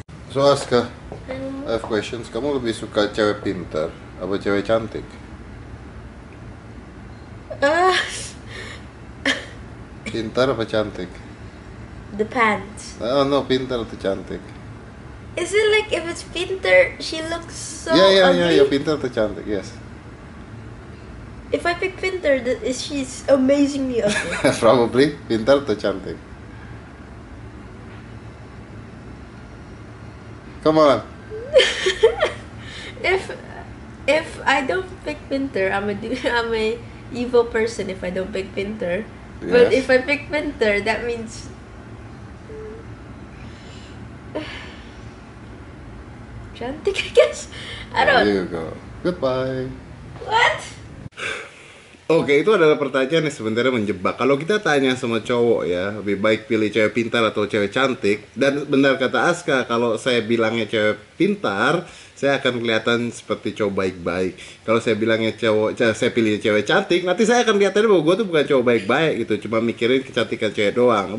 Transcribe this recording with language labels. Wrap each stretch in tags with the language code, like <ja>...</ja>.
<en>So Aska, I have questions.</en> <id>Kamu lebih suka cewek pintar apa cewek cantik? Pintar apa cantik?</id> <en>Depends. Oh no,</en> <id>pintar atau cantik?</id> <en>Is it like if it's pintar, she looks so ugly?</en> <id>Yeah, pintar atau cantik, yes.</id> <en>If I pick pintar, she's amazingly ugly.</en> <id>Probably, pintar atau cantik?</id> <en>Come on. If I don't pick pintar, I'm a evil person if I don't pick pintar. Yes. But if I pick pintar, that means cantik, I guess. There you go. Goodbye. What?</en> <id>Okay, itu adalah pertanyaan yang sebenarnya menjebak. Kalau kita tanya sama cowok ya, lebih baik pilih cewek pintar atau cewek cantik. Dan benar kata Aska, kalau saya bilangnya cewek pintar, saya akan kelihatan seperti cowok baik-baik. Kalau saya bilangnya saya pilih cewek cantik, nanti saya akan kelihatan bahwa gue tuh bukan cowok baik-baik gitu, cuma mikirin kecantikan cewek doang.</id>